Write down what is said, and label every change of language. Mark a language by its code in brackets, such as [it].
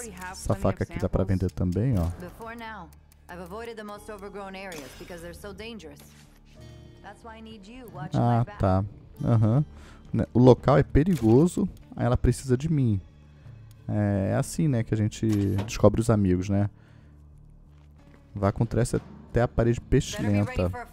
[pt] Essa faca aqui dá pra vender também, ó. [en] I've avoided the most overgrown areas because they're so dangerous. That's why I need you watching my back. [pt] Ah, tá. Aham. Uhum. O local é perigoso, aí ela precisa de mim. É assim, né, que a gente descobre os amigos, né? Vá com Tress até a parede pestilenta.